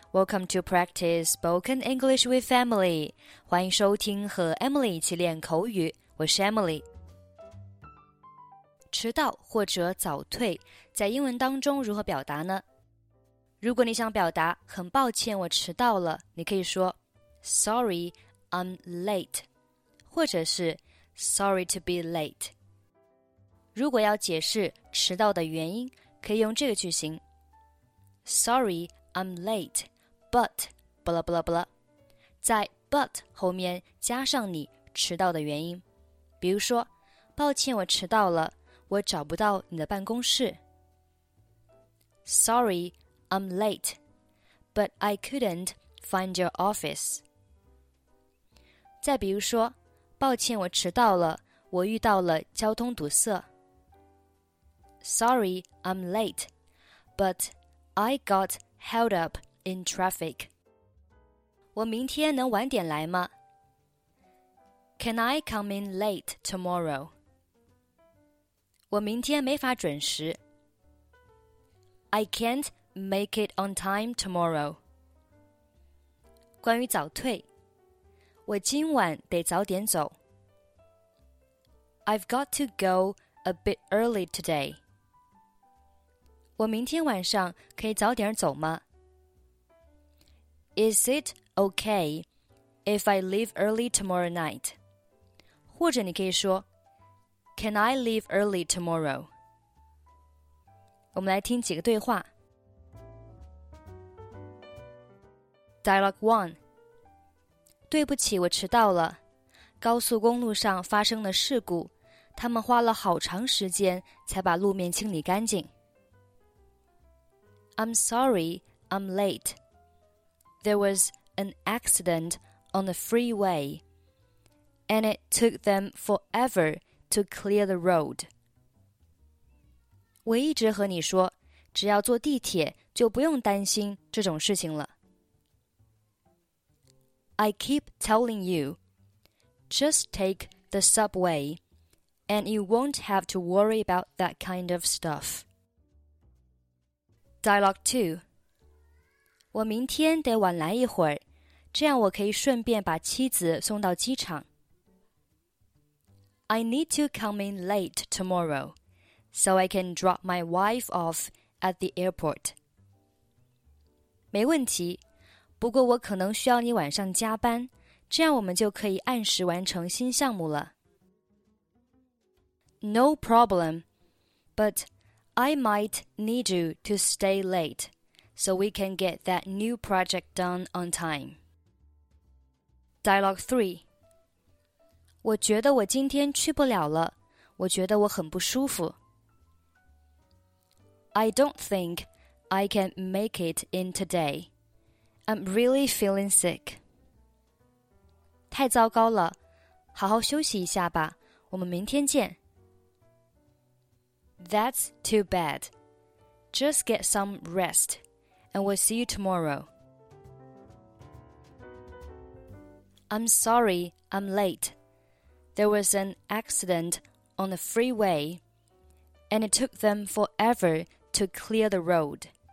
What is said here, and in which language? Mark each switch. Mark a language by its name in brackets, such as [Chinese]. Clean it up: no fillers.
[English] Welcome to Practice Spoken English with Emily. [Chinese] 欢迎收听和 Emily 一起练口语。我是 Emily。迟到或者早退，在英文当中如何表达呢？如果你想表达，很抱歉我迟到了，你可以说 [English] Sorry, I'm late. [Chinese] 或者是 [English] Sorry to be late. [Chinese] 如果要解释迟到的原因，可以用这个句型。 [English] Sorry, I'm late, but, blah, blah, blah. [Chinese] 在 but 后面加上你迟到的原因。比如说，抱歉我迟到了，我找不到你的办公室。 [English] Sorry, I'm late, but I couldn't find your office. [Chinese] 再比如说，抱歉我迟到了，我遇到了交通堵塞。 [English] Sorry, I'm late, but... I got held up in traffic. [Chinese] 我明天能晚点来吗? [English] Can I come in late tomorrow? [Chinese] 我明天没法准时。 [English] I can't make it on time tomorrow. [Chinese] 关于早退。我今晚得早点走。 [English] I've got to go a bit early today. [Chinese] 我明天晚上可以早点走吗? [English] Is it okay if I leave early tomorrow night? [Chinese] 或者你可以说 [English] Can I leave early tomorrow? [Chinese] 我们来听几个对话。 [English] Dialogue 1 [Chinese] 对不起我迟到了。高速公路上发生了事故，他们花了好长时间才把路面清理干净。 [English] I'm sorry, I'm late. There was an accident on the freeway, and it took them forever to clear the road. [Chinese] 我一直和你说，只要坐地铁就不用担心这种事情了。 [English] I keep telling you, just take the subway, and you won't have to worry about that kind of stuff. Dialogue 2. [Chinese] 我明天得晚来一会儿，这样我可以顺便把妻子送到机场。 [English] I need to come in late tomorrow, so I can drop my wife off at the airport. [Chinese] 没问题，不过我可能需要你晚上加班，这样我们就可以按时完成新项目了。 [English] No problem, but... I might need you to stay late, so we can get that new project done on time. Dialogue 3. [Chinese] 我觉得我今天去不了了，我觉得我很不舒服。 [English] I don't think I can make it in today. I'm really feeling sick. [Chinese] 太糟糕了，好好休息一下吧，我们明天见。 [English] That's too bad. Just get some rest, and we'll see you tomorrow. I'm sorry I'm late. There was an accident on the freeway, and it took them forever to clear the road.